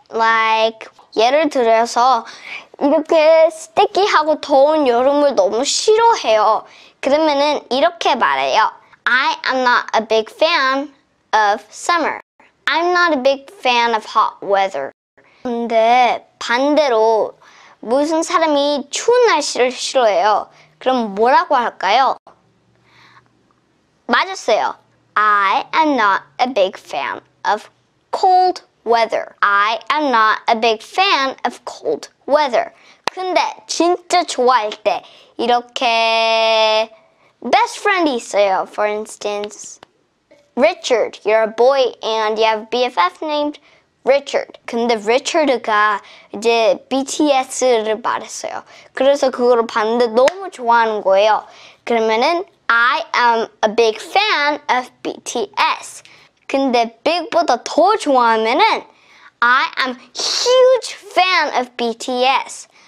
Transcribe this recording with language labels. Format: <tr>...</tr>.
<ko>Like, 예를 들어서 이렇게 스티키하고 더운 여름을 너무 싫어해요. 그러면은 이렇게 말해요.</ko> <en>I am not a big fan of summer. I'm not a big fan of hot weather.</en> <ko>근데 반대로 무슨 사람이 추운 날씨를 싫어해요. 그럼 뭐라고 할까요? 맞았어요.</ko> <en>I am not a big fan of cold weather. I am not a big fan of cold weather.</en> <ko>근데 진짜 좋아할 때 이렇게 best friend 있어요.</ko> <en>For instance, Richard. You're a boy and you have BFF named Richard.</en> <ko>근데 Richard가 이제 BTS를 말했어요. 그래서 그거를 봤는데 너무 좋아하는 거예요. 그러면은</ko> <en>I am a big fan of BTS.</en> <ko>근데 빅보다 더 좋아하면은</ko> <en>I am huge fan of BTS.</en>